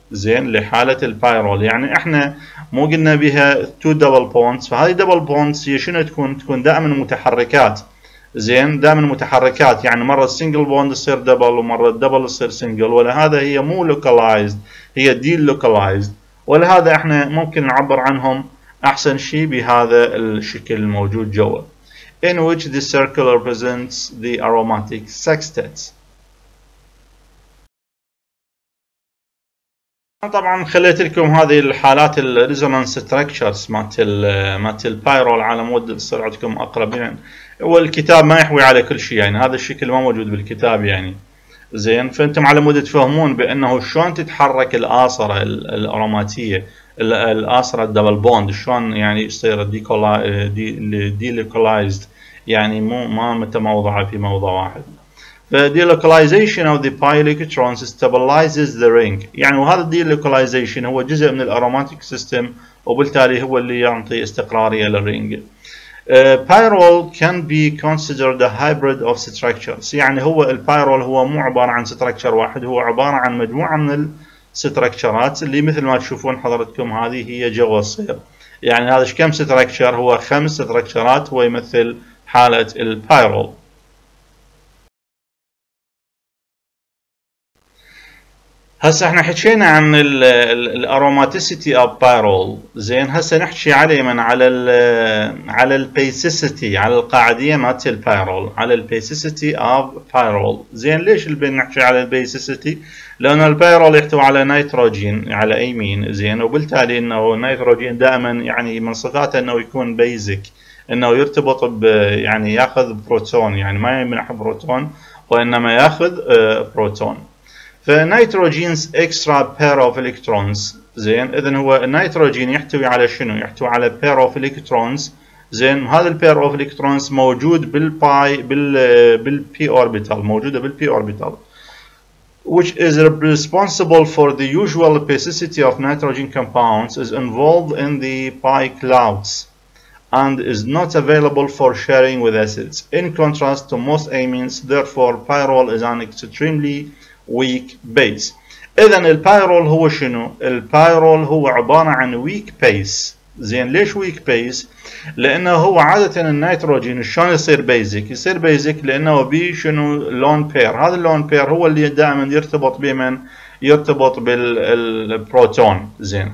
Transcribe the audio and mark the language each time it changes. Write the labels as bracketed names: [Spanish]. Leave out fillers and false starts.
[Arabic] زين لحاله البايرول يعني احنا مو قلنا بها تو دبل بوندز، فهذه دبل بوندز هي شنو تكون؟ تكون دائما متحركات. زين دائما متحركات، يعني مره سنجل بوند تصير دبل ومره دبل تصير سنجل، ولهذا هي مو لوكلايزد، هي دي لوكلايزد، ولهذا احنا ممكن نعبر عنهم احسن شيء بهذا الشكل الموجود جوا. [English] In which the circle represents the aromatic sextet. [Arabic] طبعا خليت لكم هذه الحالات الريزونانس ستراكشرز مات البايرول على مود تصير عندكم اقرب. يعني والكتاب ما يحوي على كل شيء، يعني هذا الشكل ما موجود بالكتاب يعني زين، فانتم على مود تفهمون بانه شلون تتحرك الاصره الاروماتيه، الاصره الدبل بوند شلون يعني يصير ديلوكلايزد، يعني مو ما متموضعه في موضع واحد. [English] The delocalization of the pi electrons stabilizes the ring. [Arabic] يعني وهذا delocalization هو جزء من الاروماتيك سيستم، وبالتالي هو اللي يعطي استقراريه للرينج. [English] Pyrrole can be considered a hybrid of structures. [Arabic] يعني هو البايرول هو مو عباره عن ستراكشر واحد، هو عباره عن مجموعه من الستراكشرات اللي مثل ما تشوفون حضرتكم هذه هي جو الصير. يعني هذا كم ستراكشر؟ هو خمس ستراكشرات، هو يمثل حاله البايرول. هسه احنا حكينا عن الاروماتيسيتي اوف بايرول زين، هسه نحكي عليه من على البيسيسيتي، على القاعديه مات البايرول، على البيسيسيتي اوف بايرول زين. ليش نحكي على البيسيسيتي؟ لان البايرول يحتوي على نيتروجين على ايمين زين، وبالتالي انه النيتروجين دائما يعني من صفاته انه يكون بيزك، انه يرتبط ب يعني ياخذ بروتون، يعني ما يمنح بروتون وانما ياخذ بروتون. فنيتروجين's extra pair of electrons زين، اذا هو النيتروجين يحتوي على شنو؟ يحتوي على pair of electrons زين، هذا ال pair of electrons موجود بالباي بال p orbital، موجوده بال p orbital [English] which is responsible for the usual opacity of nitrogen compounds is involved in the pi clouds and is not available for sharing with acids in contrast to most amines, therefore pyrrole is an extremely weak base. [Arabic] اذا البايرول هو شنو؟ البايرول هو عباره عن weak base زين. ليش weak base؟ لانه هو عاده النيتروجين شلون يصير بيزك؟ يصير بيزك لانه بي شنو؟ لون بير. هذا اللون بير هو اللي دائما يرتبط بمن؟ يرتبط بالبروتون زين.